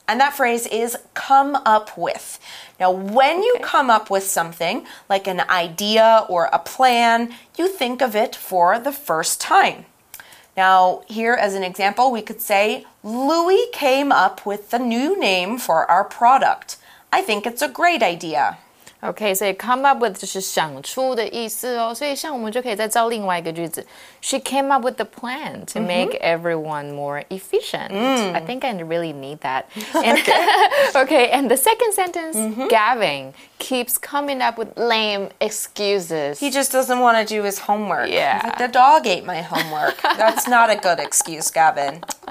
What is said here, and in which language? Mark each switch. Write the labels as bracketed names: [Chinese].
[English] And that phrase is come up with. Now, when you come up with something, like an idea or a plan, you think of it for the first time. Now, here as an example, we could say, Louis came up with the new name for our product. I think it's a great idea. [Chinese] OK, 所以 come up with 就是想出的意思哦。所以像我们就可以再造另外一个句子。 [English] She came up with the plan to make everyone more efficient. I think I really need that. And, okay, and the second sentence, Gavin keeps coming up with lame excuses. He just doesn't want to do his homework. Yeah. He's like, the dog ate my homework. That's not a good excuse, Gavin.